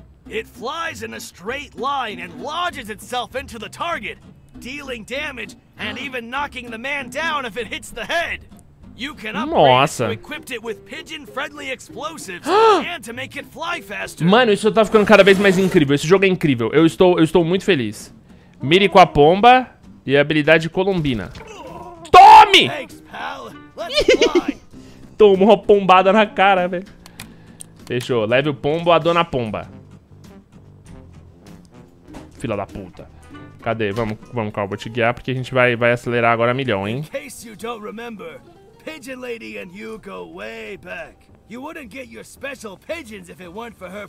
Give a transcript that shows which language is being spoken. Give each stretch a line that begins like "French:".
English: It flies in a straight line and lodges itself into the target. dealing damage, and even knocking the man down if it hits the head. You can upgrade to equip it with pigeon-friendly explosives and to make it fly faster.
Portuguese: Mano, isso tá ficando cada vez mais incrível. Esse jogo é incrível. Eu estou muito feliz. Mire com a pomba e a habilidade colombina. Tome!
English: Thanks, pal. Let's fly.
Portuguese: Tomou uma pombada na cara, velho. Fechou. Leve o pombo à dona pomba. Filha da puta. Cadê? Vamos, Carl, vou te guiar porque a gente vai acelerar agora a milhão, hein?
English: In case you don't remember, Pigeon Lady and you go way back. You wouldn't get your special pigeons if it weren't for her.